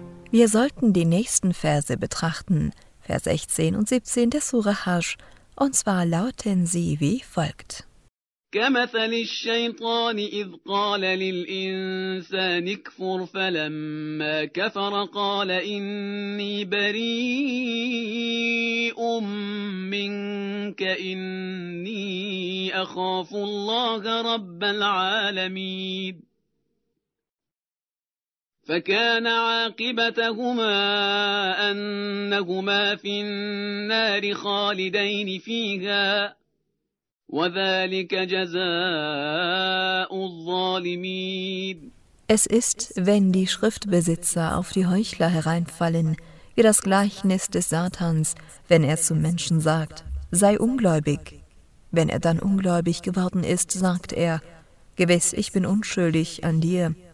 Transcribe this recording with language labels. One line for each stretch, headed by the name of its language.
German: Wir sollten die nächsten Verse betrachten, Vers 16 und 17 des Sura Hasch, und zwar lauten sie wie folgt.
Arabic: كَمَثَلِ الشَّيْطَانِ إِذْ قَالَ لِلْإِنسَانِ اكْفُرْ فَلَمَّا كَفَرَ قَالَ إِنِّي بَرِيءٌ مِّنْكَ إِنِّي أَخَافُ اللَّهَ رَبَّ الْعَالَمِينَ فكان عاقبتهما أنهما في النار خالدين فيها وذلك جزاء الظالمين.
German: Es ist, wenn die Schriftbesitzer auf die Heuchler hereinfallen, wie das Gleichnis des Satans, wenn er zum Menschen sagt, sei ungläubig. Wenn er dann ungläubig geworden ist, sagt er, gewiss, ich bin unschuldig an dir.